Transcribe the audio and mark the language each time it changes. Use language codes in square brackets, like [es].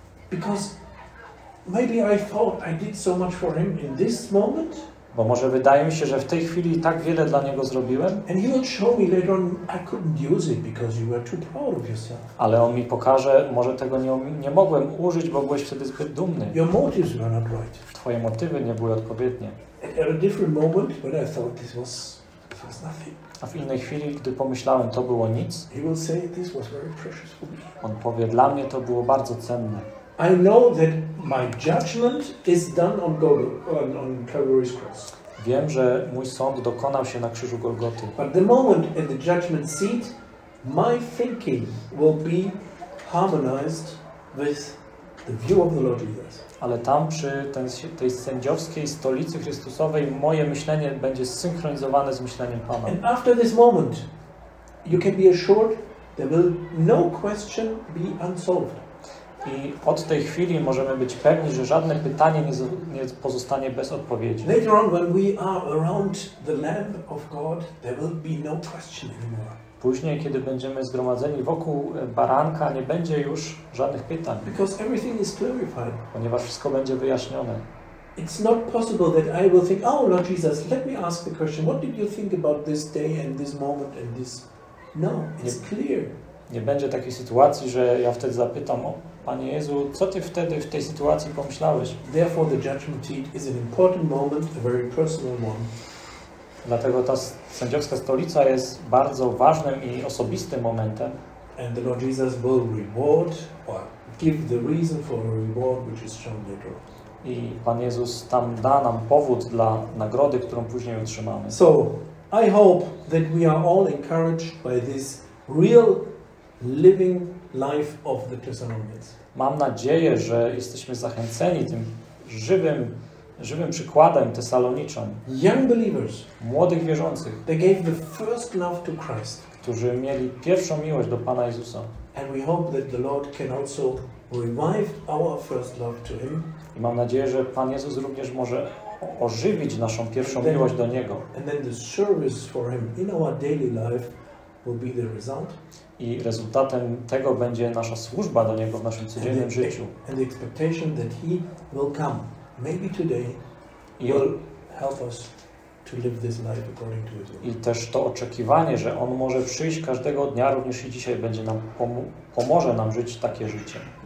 [en] Because maybe I thought I did so much for him in this moment. [pl] Bo może wydaje mi się, że w tej chwili tak wiele dla niego zrobiłem. [en] And he would show me later on I couldn't use it because you were too proud of yourself. [pl] Ale on mi pokaże, może tego nie mogłem użyć, bo byłeś wtedy zbyt dumny. [en] Your motives were not right. [pl] Twoje motywy nie były odpowiednie. [en] At a different moment, when I thought this was nothing. [pl] A w innej chwili, gdy pomyślałem, to było nic. [en] He will say this was very precious for me. [pl] On powie, dla mnie to było bardzo cenne. [en] I know that my judgment is done on Calvary's cross. [pl] Wiem, że mój sąd dokonał się na krzyżu Golgoty. [en] But the moment at the judgment seat, my thinking will be harmonized with the view of the Lord Jesus. [pl] Ale tam przy tej sędziowskiej stolicy Chrystusowej moje myślenie będzie zsynchronizowane z myśleniem Pana. [en] And after this moment, you can be assured There will no question be unsolved. [pl] I od tej chwili możemy być pewni, że żadne pytanie nie pozostanie bez odpowiedzi. [en] Later on, when we are around the lamp of God, there will be no question anymore. [pl] Później, kiedy będziemy zgromadzeni wokół baranka, nie będzie już żadnych pytań. [en] Because everything is clarified. [pl] Ponieważ wszystko będzie wyjaśnione. [en] It's not possible that I will think, oh Lord Jesus, let me ask the question, what did you think about this day and this moment and this? No, it's clear. [pl] Nie będzie takiej sytuacji, że ja wtedy zapytam, o, Panie Jezu, co Ty wtedy w tej sytuacji pomyślałeś? [en] Therefore the judgment seat is an important moment, a very personal one. [pl] Dlatego ta sędziowska stolica jest bardzo ważnym i osobistym momentem. [en] And the Lord Jesus will reward or give the reason for a reward which is shown later. [pl] I Pan Jezus tam da nam powód dla nagrody, którą później otrzymamy. [en] So, I hope that we are all encouraged by this real living life of the Thessalonians. [pl] Mam nadzieję, że jesteśmy zachęceni tym żywym przykładem Tesaloniczan. [en] Young believers, [pl] młodych wierzących, [en] they gave the first love to Christ, [pl] którzy mieli pierwszą miłość do Pana Jezusa. [en] And we hope that the Lord can also revive our first love to Him. [pl] I mam nadzieję, że Pan Jezus również może ożywić naszą pierwszą miłość do Niego. [en] And then the service for Him in our daily life will be the result. [pl] I rezultatem tego będzie nasza służba do Niego w naszym codziennym życiu. [en] And the expectation that He will come. Maybe today will help us to live this life according to His will. [pl] I też to oczekiwanie, że On może przyjść każdego dnia, również i dzisiaj będzie nam pomoże nam żyć takie życie.